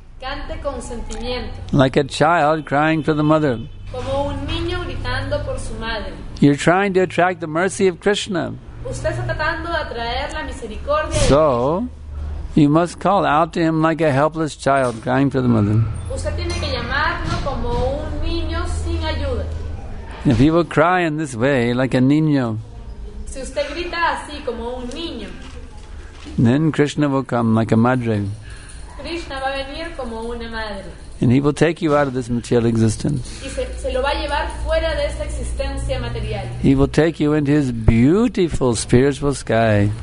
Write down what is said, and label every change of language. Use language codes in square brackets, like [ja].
[es] Cante con sentimiento. [en] Like a child crying for the mother. [es] Como un niño gritando por su madre. [en] You're trying to attract the mercy of Krishna. [es] Usted está tratando de atraer la misericordia. [en] So, you must call out to him like a helpless child crying for the mother. [es] Usted tiene que llamarlo como un niño sin ayuda. [en] If he will cry in this way, like a [es] niño, si usted grita así, como un niño, [en] then Krishna will come like a [es] madre. Krishna va a venir como una madre. [en] And he will take you out of this material existence. [es] Y se lo va a llevar fuera de esta existencia material. [en] He will take you into his beautiful spiritual sky.